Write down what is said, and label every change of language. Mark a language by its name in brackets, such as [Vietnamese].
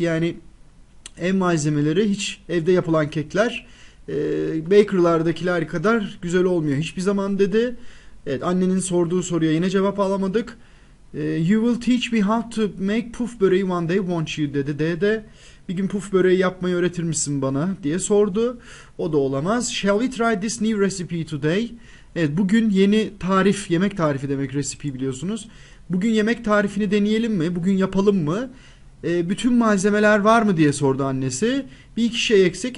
[Turkish] Yani ev malzemeleri, hiç evde yapılan kekler bakerylardakiler kadar güzel olmuyor hiçbir zaman dedi. Evet, annenin sorduğu soruya yine cevap alamadık. [English] You will teach me how to make puff böreği one day, won't you? [Turkish] Dedi dede. Bir gün puf böreği yapmayı öğretir misin bana diye sordu. O da olamaz. [English] Shall we try this new recipe today? [Turkish] Evet, bugün yeni tarif, yemek tarifi demek recipe, biliyorsunuz. Bugün yemek tarifini deneyelim mi? Bugün yapalım mı? Bütün malzemeler var mı diye sordu annesi. Bir iki şey eksik.